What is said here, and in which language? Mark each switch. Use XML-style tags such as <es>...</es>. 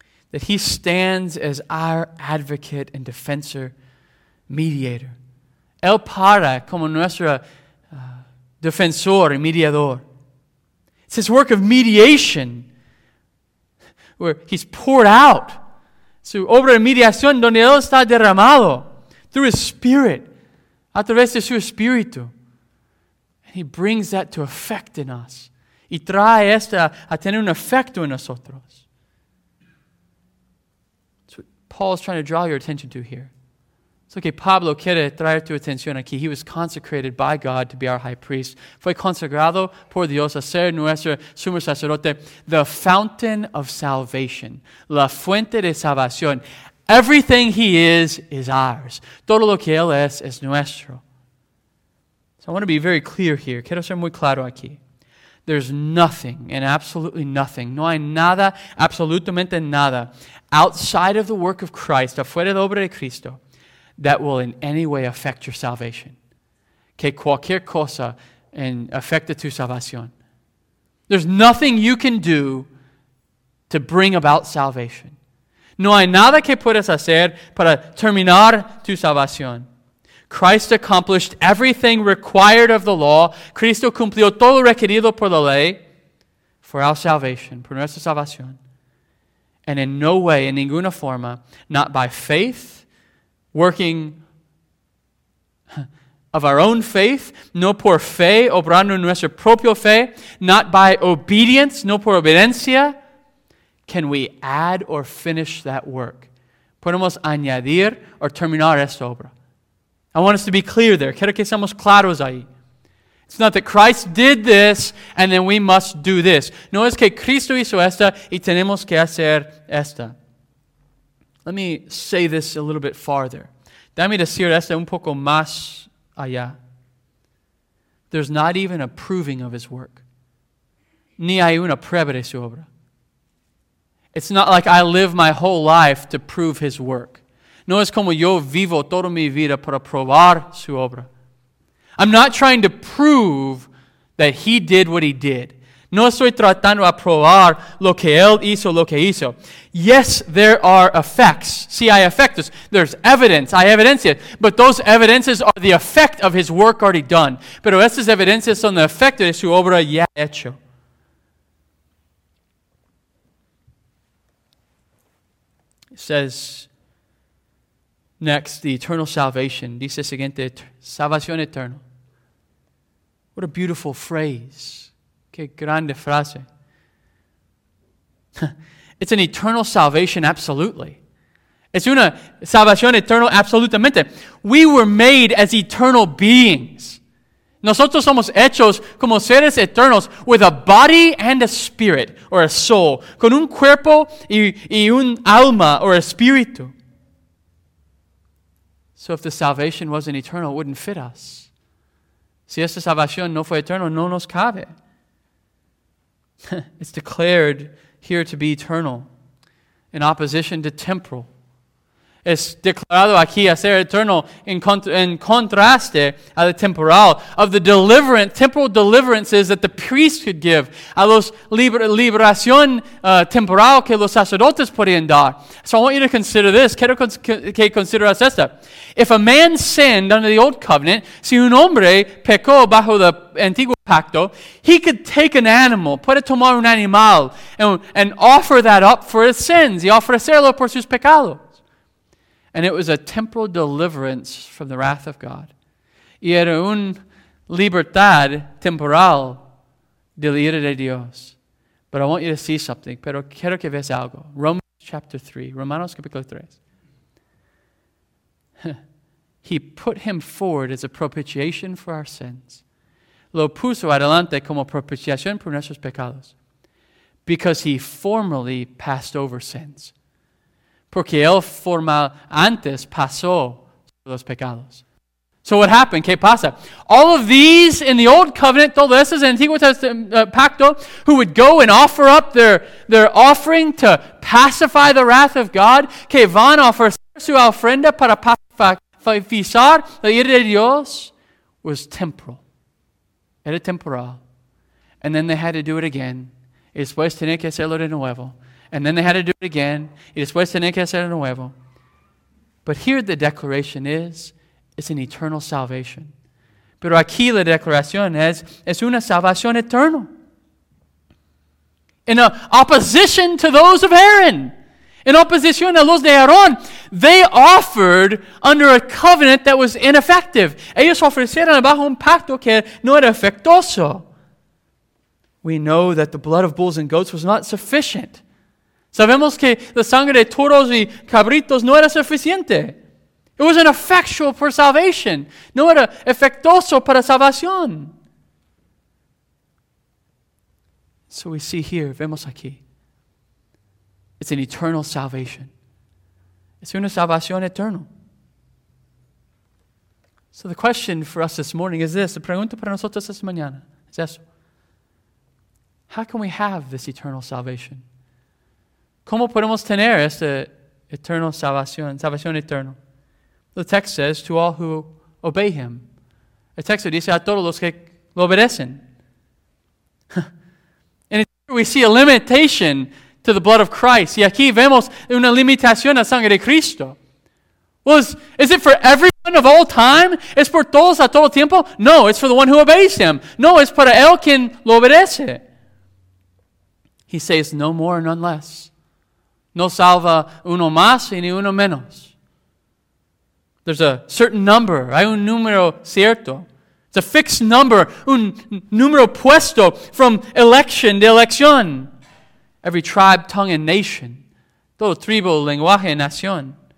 <en>That He stands as our advocate and defensor, mediator.</en> <es>Él para como nuestro defensor y mediador.</es> <en>It's His work of mediation, where He's poured out.</en> <es>Su obra de mediación donde Él está derramado</es> <en>through His Spirit,</en> <es>a través de su Espíritu.</es> <en>And He brings that to effect in us.</en> <es>Y trae esta a tener un efecto en nosotros.</es> <en>Paul is trying to draw your attention to here. It's okay,</en> <es>Pablo quiere traer tu atención aquí.</es> <en>He was consecrated by God to be our high priest.</en> <es>Fue consagrado por Dios a ser nuestro sumo sacerdote.</es> <en>The fountain of salvation.</en> <es>La fuente de salvación.</es> <en>Everything He is ours.</en> <es>Todo lo que Él es nuestro.</es> <en>So I want to be very clear here.</en> <es>Quiero ser muy claro aquí.</es> <en>There's nothing and absolutely nothing.</en> <es>No hay nada, absolutamente nada,</es> <en>outside of the work of Christ,</en> <es>afuera de la obra de Cristo,</es> <en>that will in any way affect your salvation.</en> <es>Que cualquier cosa afecte tu salvación.</es> <en>There's nothing you can do to bring about salvation.</en> <es>No hay nada que puedas hacer para terminar tu salvación.</es> <en>Christ accomplished everything required of the law.</en> <es>Cristo cumplió todo requerido por la ley</es> <en>for our salvation,</en> <es>por nuestra salvación.</es> <en>And in no way,</en> <es>in ninguna forma,</es> <en>not by faith, working of our own faith,</en> <es>no por fe, obrando nuestra propia fe,</es> <en>not by obedience,</en> <es>no por obediencia,</es> <en>can we add or finish that work.</en> <es>Podemos añadir o terminar esta obra.</es> <en>I want us to be clear there.</en> <es>Quiero que seamos claros ahí.</es> <en>It's not that Christ did this and then we must do this.</en> <es>No es que Cristo hizo esta y tenemos que hacer esta.</es> <en>Let me say this a little bit farther.</en> <es>Dame decir esto un poco más allá.</es> <en>There's not even a proving of his work.</en> <es>Ni hay una prueba de su obra.</es> <en>It's not like I live my whole life to prove his work.</en> <es>No es como yo vivo toda mi vida para probar su obra.</es> <en>I'm not trying to prove that he did what he did.</en> <es>No estoy tratando a probar lo que él hizo, lo que hizo.</es> <en>Yes, there are effects.</en> <es>Sí, hay efectos.</es> <en>There's evidence.</en> <es>Hay evidencias.</es> <en>But those evidences are the effect of his work already done.</en> <es>Pero esas evidencias son el efecto de su obra ya hecho.</es> <en>It says next, the eternal salvation.</en> <es>Dice siguiente, salvación eterna.</es> <en>What a beautiful phrase.</en> <es>Qué grande frase.</es> <en>It's an eternal salvation, absolutely.</en> <es>Es una salvación eterna, absolutamente.</es> <en>We were made as eternal beings.</en> <es>Nosotros somos hechos como seres eternos</es> <en>with a body and a spirit, or a soul.</en> <es>Con un cuerpo y un alma, or espíritu.</es> <en>So if the salvation wasn't eternal, it wouldn't fit us.</en> <es>Si esta salvación no fue eterna, no nos cabe.</es> <en>It's declared here to be eternal in opposition to temporal.</en> <es>Es declarado aquí a ser eternal en contraste a lo temporal</es> <en>of the deliverance, temporal deliverances that the priest could give</en> <es>a los liberación temporal que los sacerdotes podían dar.</es> <en>So I want you to consider this.</en> <es>Quiero que consideras esto.</es> <en>If a man sinned under the old covenant,</en> <es>si un hombre pecó bajo el antiguo pacto,</es> <en>he could take an animal,</en> <es>puede tomar un animal</es> <en>and offer that up for his sins</en> <es>y ofrecerlo por sus pecados.</es> <en>And it was a temporal deliverance from the wrath of God.</en> <es>Y era una libertad temporal de la ira de Dios.</es> <en>But I want you to see something.</en> <es>Pero quiero que veas algo. Romanos capítulo 3.</es> <en>He put him forward as a propitiation for our sins.</en> <es>Lo puso adelante como propiciación por nuestros pecados.</es> <en>Because he formerly passed over sins.</en> <es>Porque él formal antes pasó los pecados.</es> <en>So what happened?</en> <es>¿Qué pasa?</es> <en>All of these in the old covenant,</en> <es>todos estos en el antiguo pacto,</es> <en>who would go and offer up their offering to pacify the wrath of God,</en> <es>que van a ofrecer su ofrenda para pacificar la ira de Dios,</es> <en>was temporal.</en> <es>Era temporal.</es> <en>And then they had to do it again.</en> <es>Y después tenía que hacerlo de nuevo.</es> <en>And then they had to do it again.</en> <es>Y después tenía que hacer de nuevo.</es> <en>But here the declaration is, it's an eternal salvation.</en> <es>Pero aquí la declaración es una salvación eterna.</es> <en>In opposition to those of Aaron. In opposition to</en> <es>los de Aaron.</es> <en>They offered under a covenant that was ineffective.</en> <es>Ellos ofrecieron bajo un pacto que no era efectuoso.</es> <en>We know that the blood of bulls and goats was not sufficient.</en> <es>Sabemos que la sangre de toros y cabritos no era suficiente.</es> <en>It wasn't effectual for salvation.</en> <es>No era efectuoso para salvación.</es> <en>So we see here,</en> <es>vemos aquí.</es> <en>It's an eternal salvation.</en> <es>Es una salvación eterna.</es> <en>So the question for us this morning is this.</en> <es>La pregunta para nosotros esta mañana es eso.</es> <en>How can we have this eternal salvation?</en> <es>¿Cómo podemos tener esta eterna salvación, salvación eterna?</es> <en>The text says, to all who obey him.</en> <es>El texto dice, a todos los que lo obedecen.</es> <en>And here we see a limitation to the blood of Christ. Y aquí vemos una limitación a sangre de Cristo. Well, is it for everyone of all time?</en> <es>¿Es por todos a todo tiempo?</es> <en>No, it's for the one who obeys him.</en> <es>No, es para el quien lo obedece.</es> <en>He says, no more, none less.</en> <es>No salva uno más y ni uno menos.</es> <en>There's a certain number.</en> <es>Hay un número cierto.</es> <en>It's a fixed number.</en> <es>Un número puesto</es> <en>from election</en> <es>de elección.</es> <en>Every tribe, tongue, and nation.</en> <es>Todo tribu, lenguaje, nación.</es>